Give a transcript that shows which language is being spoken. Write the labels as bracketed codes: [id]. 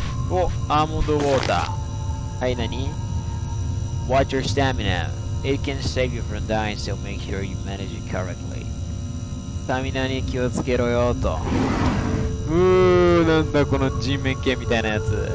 [ja] お、アーモンドウォーター。はい、何？ [en] Watch your stamina. It can save you from dying, so make sure you manage it correctly. [ja] スタミナに気をつけろよと。なんだこの人面犬みたいなやつ。